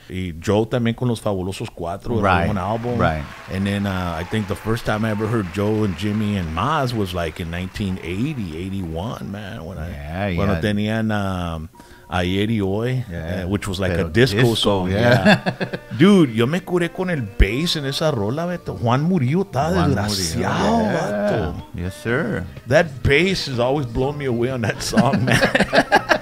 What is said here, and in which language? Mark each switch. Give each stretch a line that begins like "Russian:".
Spanish: Y Joe también con los Fabulosos Cuatro.
English: Right. One album. Right. And then I think the first time I ever heard Joe and Jimmy and MAZZ was like in 1980, 81, man. Tenían Ayer y Hoy, which was like a disco song. Yeah.
Spanish: Dude, yo me curé con el bass en esa rola, Beto. Juan Murillo está desgraciado, Beto.
English: Yes, sir. That bass has always blown me away on that song, man.